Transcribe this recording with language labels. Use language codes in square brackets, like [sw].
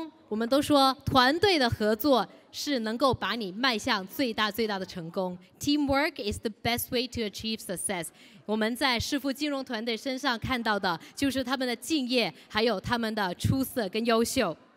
[en] We all say that cooperation [zh] 是能够把你迈向最大最大的成功。 [en] Teamwork is the best way to achieve success. [zh] 我们在世富金融团队身上看到的就是他们的敬业，还有他们的出色跟优秀。